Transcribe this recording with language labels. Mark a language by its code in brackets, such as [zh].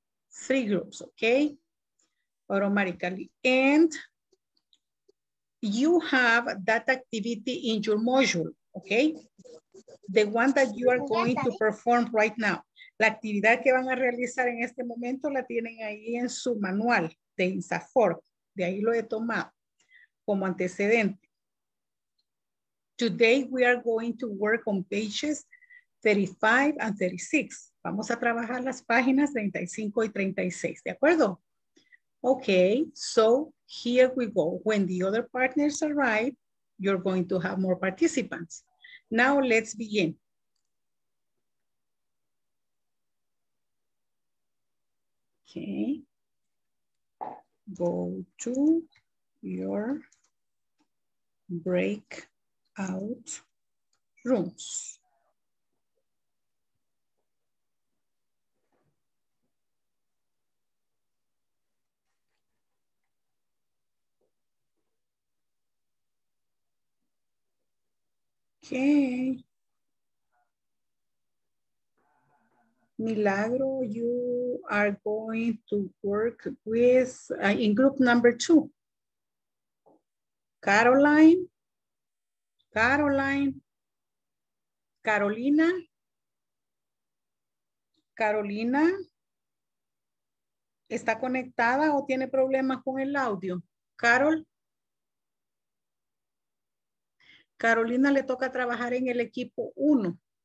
[en] Three groups, okay? Automatically. And you have that activity in your module, okay? The one that you are going to perform right now. [es] La actividad que van a realizar en este momento la tienen ahí en su manual de INSAFORP. De ahí lo he tomado como antecedente. [en] Today we are going to work on pages 35 and 36. [es] Vamos a trabajar las páginas 35 y 36, ¿de acuerdo? [en] Okay, so here we go. When the other partners arrive, you're going to have more participants. Now let's begin. Okay. Go to your break. Out rooms. Okay. Milagro, you are going to work with in group number 2. Caroline. [es] Caroline, Carolina, Carolina, ¿está conectada o tiene problemas con el audio? Carol, Carolina le toca trabajar en el equipo 1.